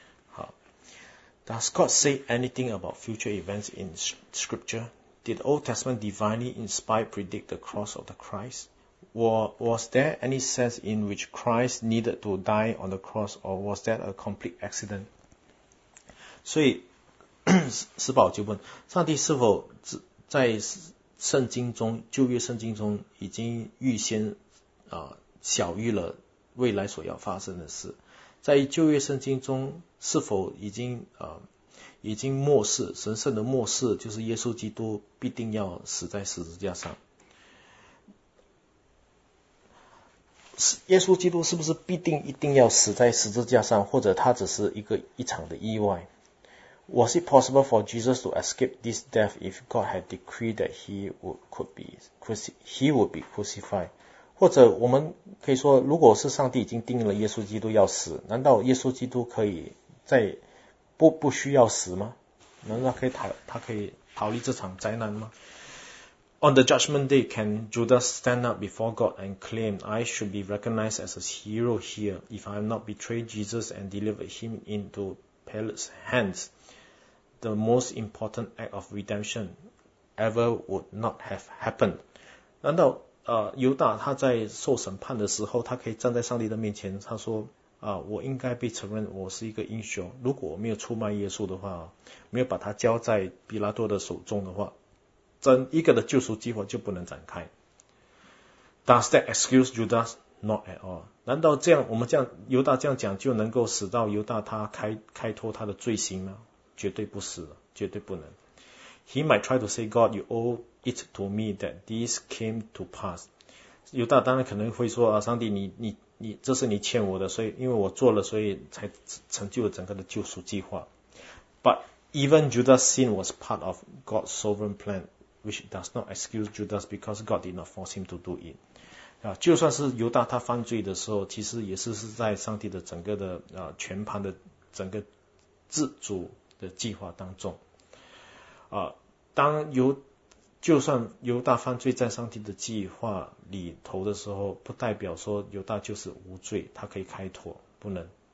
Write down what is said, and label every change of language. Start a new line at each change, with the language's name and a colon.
English: 好， Does God say anything about future events in scripture? Did the Old Testament divinely inspired predict the cross of the Christ? Was there any sense in which Christ needed to die on the cross or was that a complete accident?
Chinese: 所以施宝就问，上帝是否在圣经中，旧约圣经中已经预先晓谕了未来所要发生的事，在旧约圣经中是否已经末世，神圣的末世就是耶稣基督必定要死在十字架上，耶稣基督是不是必定一定要死在十字架上，或者他只是一场的意外？
English: Was it possible for Jesus to escape this death if God had decreed that he would be crucified?
Chinese: 或者我们可以说，如果是上帝已经定义了耶稣基督要死，难道耶稣基督可以在不需要死吗？难道他可以逃离这场灾难吗？
English: On the judgment day, can Judas stand up before God and claim I should be recognized as a hero here if I have not betrayed Jesus and delivered him into Pilate's hands? The most important act of redemption ever would not have happened.
Chinese: 难道犹大他在受审判的时候，他可以站在上帝的面前，他说我应该被承认我是一个英雄，如果我没有出卖耶稣的话，没有把他交在比拉多的手中的话，整一个的救赎计划就不能展开。
English: Does that excuse Judas? Not at all.
Chinese: 难道这样我们这样犹大这样讲就能够使到犹大他开脱他的罪行吗？绝对不是，绝对不能。
English: He might try to say, God, you owe it to me that this came to pass.
Chinese: 犹大当然可能会说啊，上帝你这是你欠我的，所以因为我做了，所以才成就了整个的救赎计划。
English: But even Judas' sin was part of God's sovereign plan, which does not excuse Judas because God did not force him to do it.
Chinese: 就算是犹大他犯罪的时候，其实也是在上帝的整个的全盘的整个自主的计划当中，就算犹大犯罪在上帝的计划里头的时候，不代表说犹大就是无罪，他可以开脱，不能，